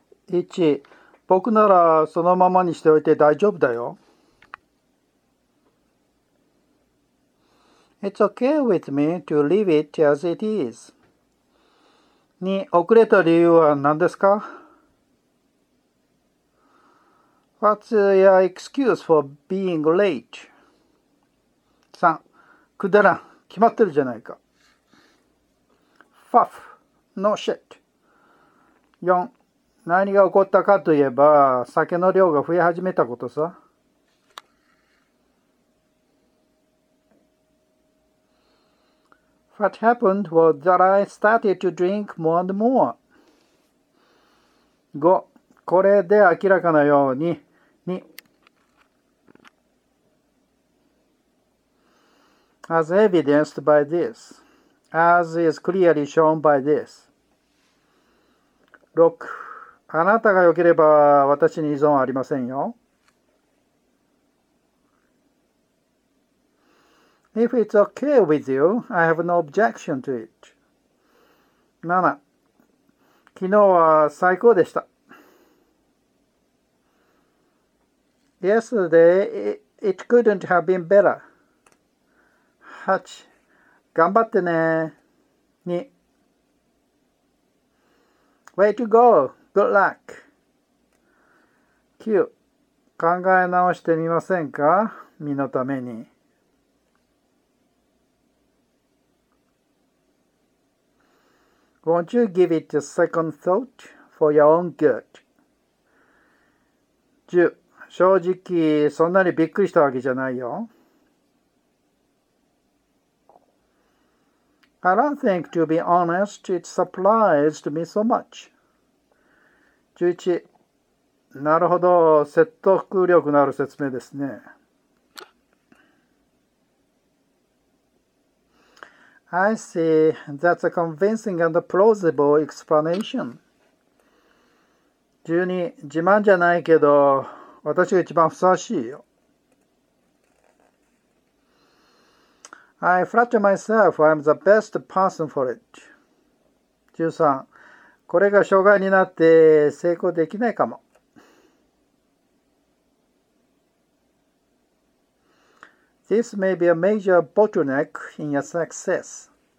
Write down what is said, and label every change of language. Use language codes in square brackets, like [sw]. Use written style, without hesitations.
[ja] 1、僕ならそのままにしておいて大丈夫だよ。 [en] It's okay with me to leave it as it is. [ja] 2、遅れた理由は何ですか？ [en] What's your excuse for being late? 3、 [ja] くだらん。決まってるじゃないか。 [en] Fuff. No shit. [ja] 4、何が起こったかといえば、酒の量が増え始めたことさ。 [en] What happened was that I started to drink more and more. [ja] 5、これで明らかなように。 2。 [en] As evidenced by this. As is clearly shown by this. 6。 [ja] あなたが良ければ私に依存はありませんよ。 [en] If it's okay with you, I have no objection to it. [ja] 7。 昨日は最高でした。 [en] Yesterday, it couldn't have been better. 8。 [ja] 頑張ってね。2。 [en] Way to go! Good luck. 9. [ja] 考え直してみませんか？身のために。 [en] Won't you give it a second thought for your own good? 10. [ja] 正直、そんなにびっくりしたわけじゃないよ。 [en] I don't think, to be honest, it surprised me so much. 11。 [ja] なるほど、説得力のある説明ですね。 [en] I see. That's a convincing and plausible explanation. 12。 [ja] 自慢じゃないけど、私が一番ふさわしいよ。 [en] I flatter myself I'm the best person for it. 13。 [ja] これが障害になって成功できないかも。 [en] This may be a major bottleneck in your success.